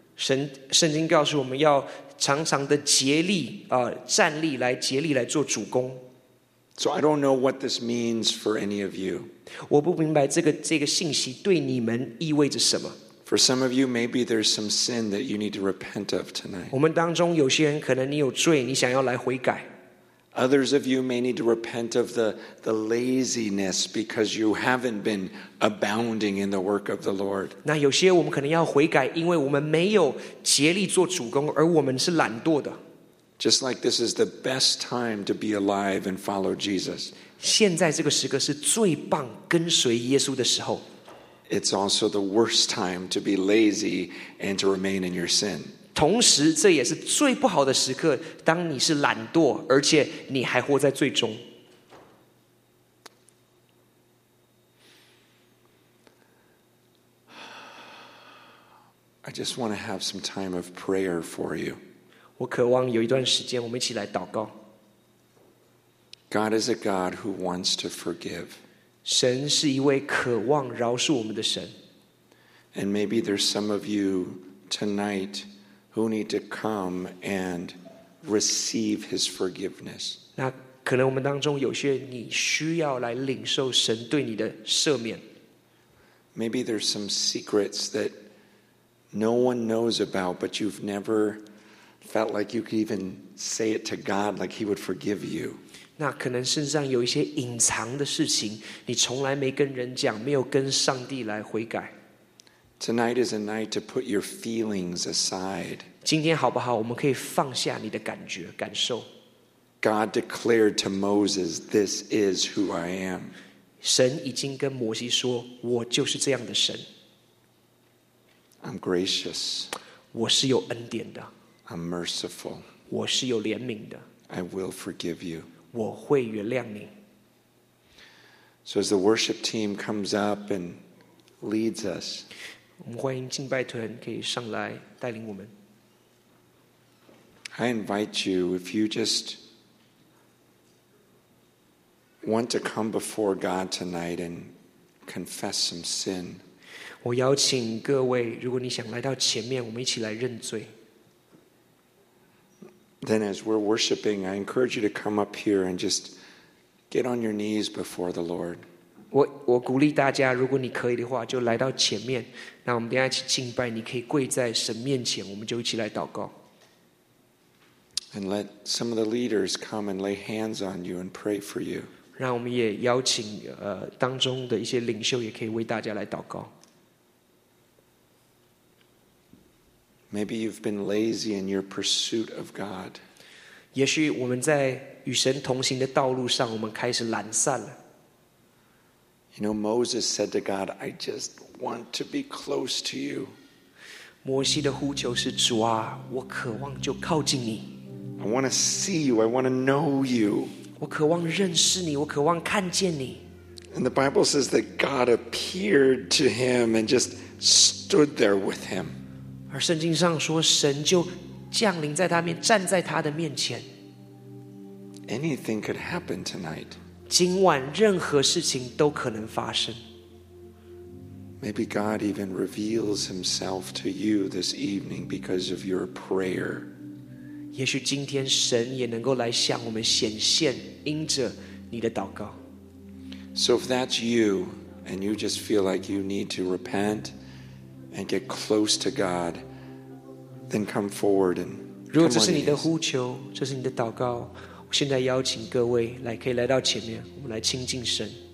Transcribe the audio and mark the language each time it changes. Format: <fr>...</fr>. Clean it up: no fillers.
<zh>圣经告诉我们要常常的竭力站立来竭力来做主工。</zh> <en>So I don't know what this means for any of you.</en> <zh>我不明白这个信息对你们意味着什么。</zh> <en>For some of you, maybe there's some sin that you need to repent of tonight.</en> <zh>我们当中有些人可能你有罪，你想要来悔改。</zh> <en>Others of you may need to repent of the laziness because you haven't been abounding in the work of the Lord.</en> <zh>那有些我们可能要悔改，因为我们没有竭力做主工，而我们是懒惰的。</zh> <en>Just like this is the best time to be alive and follow Jesus.</en> <zh>现在这个时刻是最棒跟随耶稣的时候。</zh> <en>It's also the worst time to be lazy and to remain in your sin.</en> <zh>同时，这也是最不好的时刻，当你是懒惰，而且你还活在罪中。</zh> <en>I just want to have some time of prayer for you.</en> <zh>我渴望有一段时间，我们一起来祷告。</zh> <en>God is a God who wants to forgive.</en> <zh>神是一位渴望饶恕我们的神。</zh> <en>And maybe there's some of you tonight who need to come and receive his forgiveness.</en> <zh>那可能我们当中有些你需要来领受神对你的赦免。</zh> <en>Maybe there's some secrets that no one knows about, but you've never felt like you could even say it to God like he would forgive you.</en> <zh>那可能身上有一些隐藏的事情，你从来没跟人讲，没有跟上帝来悔改。</zh> <en>Tonight is a night to put your feelings aside.</en> <zh>今天好不好我们可以放下你的感觉感受。</zh> <en>God declared to Moses, this is who I am.</en> <zh>神已经跟摩西说我就是这样的神。</zh> <en>I'm gracious.</en> <zh>我是有恩典的。</zh> <en>I'm merciful.</en> <zh>我是有怜悯的。</zh> <en>I will forgive you.</en> <zh>我会原谅你。</zh> <en>So as the worship team comes up and leads us,</en> <zh>我们欢迎敬拜团可以上来带领我们。</zh> <en>I invite you, if you just want to come before God tonight and confess some sin,</en> <zh>我邀请各位，如果你想来到前面，我们一起来认罪。</zh> <en>Then as we're worshiping, I encourage you to come up here and just get on your knees before the Lord.</en> <zh>我鼓励大家，如果你可以的话，就来到前面。那我们等一下一起敬拜，你可以跪在神面前，我们就一起来祷告。</zh> <en>And let some of the leaders come and lay hands on you and pray for you.</en> <zh>让我们也邀请当中的一些领袖也可以为大家来祷告。</zh> <en>Maybe you've been lazy in your pursuit of God.</en> <zh>也许我们在与神同行的道路上，我们开始懒散了。</zh> <en>You know, Moses said to God, "I just want to be close to you."</en> <zh>摩西的呼求是主啊，我渴望就靠近你。</zh> <en>I want to see you. I want to know you.</en> <zh>我渴望认识你，我渴望看见你。</zh> <en>And the Bible says that God appeared to him and just stood there with him.</en> <zh>而圣经上说神就降临在他面站在他的面前</zh> <en>Anything could happen tonight</en> <zh>今晚任何事情都可能发生</zh> <en>Maybe God even reveals himself to you this evening because of your prayer</en> <zh>也许今天神也能够来向我们显现因着你的祷告</zh> <en>So if that's you and you just feel like you need to repentand get close to God, then come forward and come</en> <zh>如果这是你的呼求，这是你的祷告，我现在邀请各位来，可以来到前面，我们来亲近神。</zh>